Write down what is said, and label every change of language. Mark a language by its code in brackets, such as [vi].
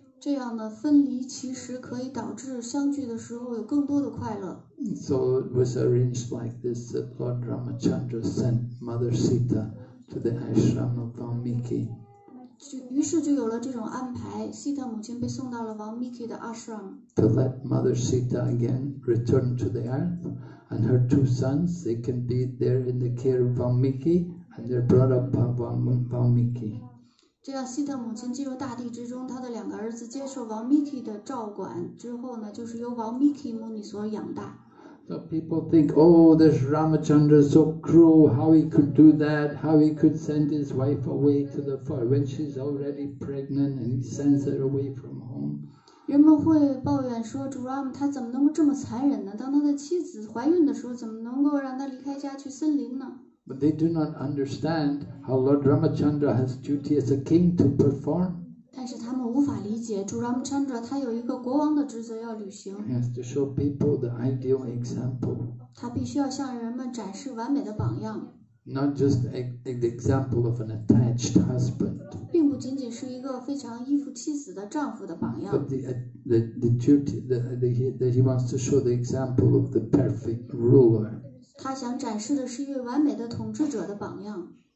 [zh] 这样呢，分离其实可以导致相聚的时候有更多的快乐。 [en] So it was arranged like this: Lord Ramachandra sent Mother Sita to the ashram of Valmiki. [zh] 于是就有了这种安排，西塔母亲被送到了 Valmiki 的 ashram. [en] To let Mother Sita again return to the earth, and her two sons, they can be there in the care of Valmiki, and they're brought up by Valmiki. [zh] 这样西塔母亲进入大地之中，她的两个儿子接受王 Miki 的照管之后呢，就是由王 Miki 母女所养大。 [en] So people think, oh, this Ramachandra is so cruel, how he could do that, how he could send his wife away to the forest when she's already pregnant and he sends her away from home. [zh] 人们会抱怨说，主 Ram 他怎么能够这么残忍呢？当他的妻子怀孕的时候，怎么能够让他离开家去森林呢？ [en] But they do not understand how Lord Ramachandra has duty as a king to perform. [zh] 但是他们无法理解主 Ramachandra 他有一个国王的职责要履行。 [en] He has to show people the ideal example. [zh] 他必须要向人们展示完美的榜样。 [en] Not just the example of an attached husband. [zh] 并不仅仅是一个非常依附妻子的丈夫的榜样。 [en] But the duty that he wants to show the example of the perfect ruler. [zh] 他想展示的是一位完美的统治者的榜样。